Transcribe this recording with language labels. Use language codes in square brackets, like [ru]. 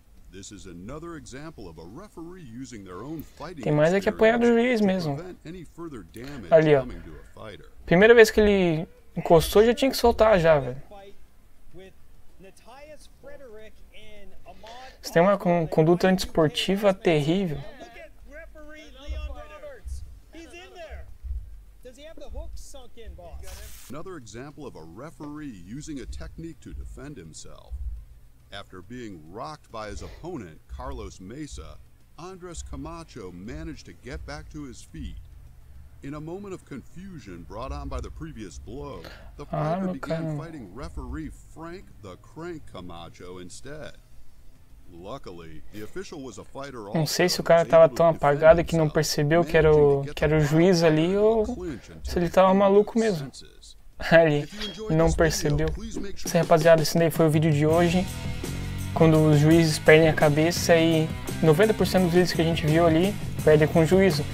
[en] This is another example of a referee using their own fighting. [pt] Tem mais é que apanhar do juiz mesmo. Ali, ó. Primeira vez que ele encostou, já tinha que soltar já, velho. Você tem uma conduta antiesportiva terrível. [en] Another example of a referee using a technique to defend himself. After being rocked by his opponent, Carlos Mesa, Andres Camacho managed to get back to his feet. In a moment of confusion brought on by the previous blow, the fighter began fighting referee Frank the Crank Camacho instead. Luckily, the official was a fighter also. [pt] Não sei se o cara tava tão apagado que não percebeu que era o juiz ali ou se ele tava maluco mesmo. Ali, não percebeu. Sim, rapaziada, esse daí foi o vídeo de hoje. Quando os juízes perdem a cabeça e 90% dos vídeos que a gente viu ali perdem com juízo.